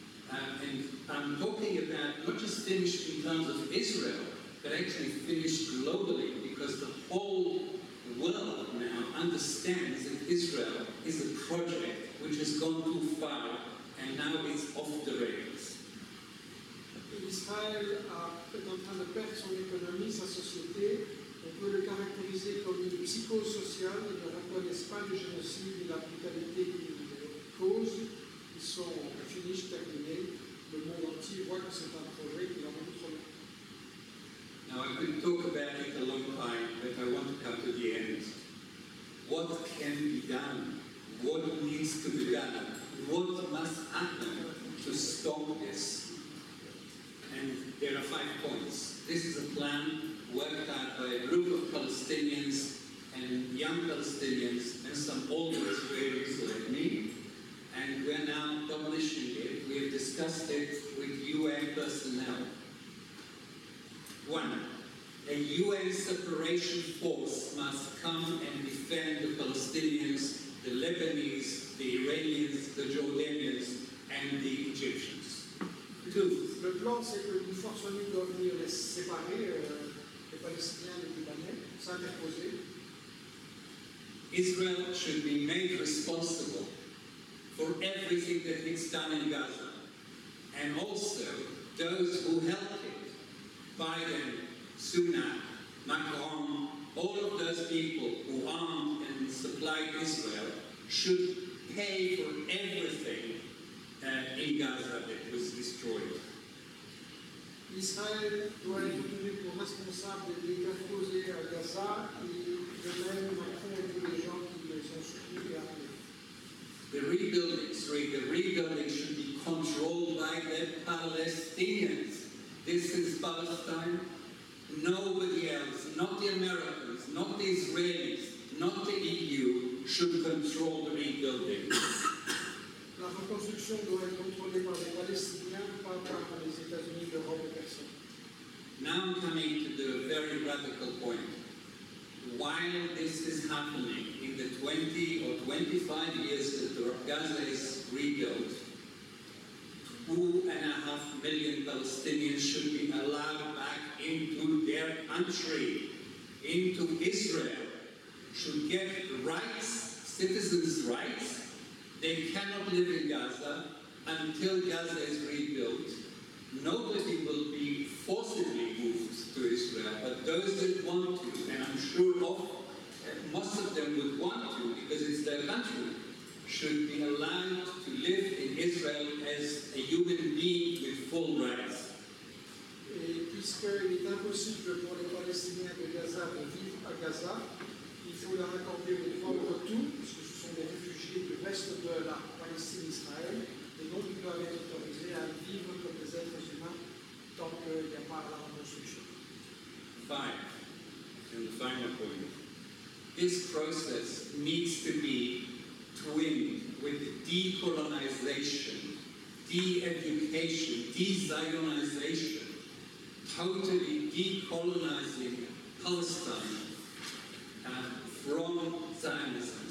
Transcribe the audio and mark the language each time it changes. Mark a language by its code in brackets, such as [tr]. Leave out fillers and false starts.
[en] And I'm talking about not just finished in terms of Israel, but actually finished globally, because the whole world now understands that Israel is a project which has gone too far and now it's off the rails. [fr] Israel est en train de perdre son économie, sa société. On peut le caractériser comme une psychosociale. Ils ne reconnaissent pas le génocide et la brutalité qu'il cause. Ils sont finis, terminés. Le monde entier voit que c'est un projet qui leur montre. [en] Now, I could talk about it a long time, but I want to come to the end. What can be done? What needs to be done? What must happen to stop this? And there are 5 points. This is a plan worked out by a group of Palestinians and young Palestinians and some older Israelis like me. And we're now publishing it. We have discussed it with UN personnel. 1. A UN separation force must come and defend the Palestinians, the Lebanese, the Iranians, the Jordanians, and the Egyptians. 2. [fr] Le plan, c'est que une force ONU doit venir les séparer, les Palestiniens et les Libanais, s'interposer. [en] Israel should be made responsible for everything that it's done in Gaza, and also those who helped it. Biden, Sunak, Macron, all of those people who armed and supplied Israel should pay for everything in Gaza that was destroyed. [fr] Israel doit être tenu pour responsable des dégâts causés à Gaza, et de même Macron et tous les gens qui les ont soutenus et armés. [en] The rebuilding should be controlled by the Palestinians. This is Palestine. Nobody else, not the Americans, not the Israelis, not the EU, should control the rebuilding. [fr] La reconstruction doit être contrôlée par les Palestiniens, pas par les États-Unis, l'Europe et personne. [en] Now I'm coming to the very radical point. While this is happening in the 20 or 25 years that Gaza is rebuilt, 2.5 million Palestinians should be allowed back into their country, into Israel, should get rights, citizens' rights. They cannot live in Gaza until Gaza is rebuilt. Nobody will be forcibly moved to Israel, but those that want to, and I'm sure most of them would want to because it's their country, should be allowed to live in Israel as a human being with full rights. [fr] Et puisqu'il est impossible pour les Palestiniens de Gaza de vivre à Gaza, il faut leur accorder le droit de retour, puisque ce sont des réfugiés du reste de la Palestine-Israël, et donc ils doivent être autorisés à vivre comme des êtres humains tant qu'il n'y a pas la reconstruction. [en] Fine. And the final point. This process needs to be twinned with decolonization, de-education, de-Zionization, totally decolonizing Palestine from Zionism.